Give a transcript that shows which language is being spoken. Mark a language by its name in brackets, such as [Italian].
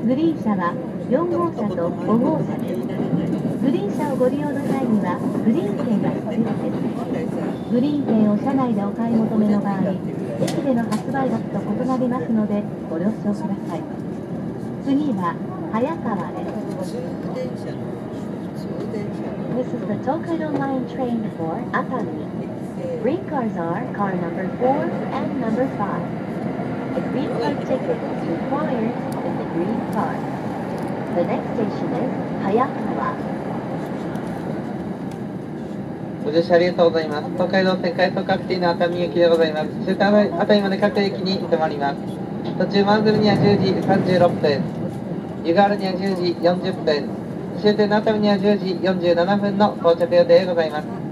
[Japanese] グリーン車は4号車と5号車です。グリーン車をご利用の際にはグリーン券が必要です。グリーン券を車内でお買い求めの場合、駅での発売額と異なりますのでご了承ください。次は早川です。 [English] This is the Tokaido Line train for 熱海。 Green cars are car number 4 and number 5. A green car ticket is required in the green car. The next station is Hayakawa. [Japanese] ご乗車ありがとうございます。東海道線快速各線の熱海行きでございます。終点熱海まで各駅に停まります。途中舞鶴には10時36分、湯河原には10時40分、終点熱海には10時47分の到着予定でございます。